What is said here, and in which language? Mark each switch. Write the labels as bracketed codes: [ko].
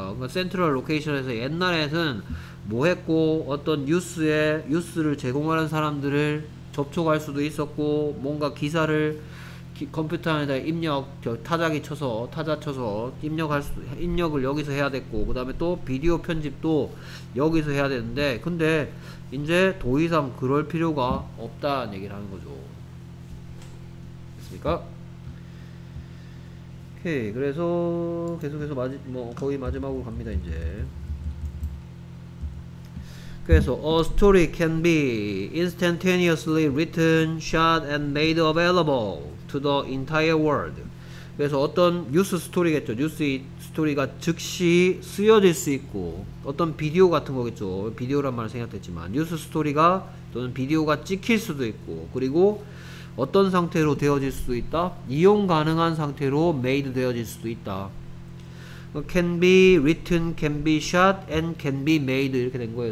[ko] 그러니까 센트럴 로케이션에서 옛날에는 뭐 했고 어떤 뉴스에 뉴스를 제공하는 사람들을 접촉할 수도 있었고 뭔가 기사를 컴퓨터 안에다 입력 타자 쳐서 입력을 여기서 해야 됐고 그 다음에 또 비디오 편집도 여기서 해야 되는데 근데 이제 더 이상 그럴 필요가 없다는 얘기를 하는 거죠. 됐습니까? 오케이. 그래서 계속해서 거의 마지막으로 갑니다. 이제 그래서 [en] a story can be instantaneously written, shot, and made available to the entire world. [ko] 그래서 어떤 뉴스 스토리겠죠. 뉴스 스토리가 즉시 쓰여질 수 있고 어떤 비디오 같은 거겠죠. 비디오란 말을 생각했지만 뉴스 스토리가 또는 비디오가 찍힐 수도 있고 그리고 어떤 상태로 되어질 수도 있다. 이용 가능한 상태로 made 되어질 수도 있다. [en] Can be written, can be shot, and can be made [ko] 이렇게 된 거예요.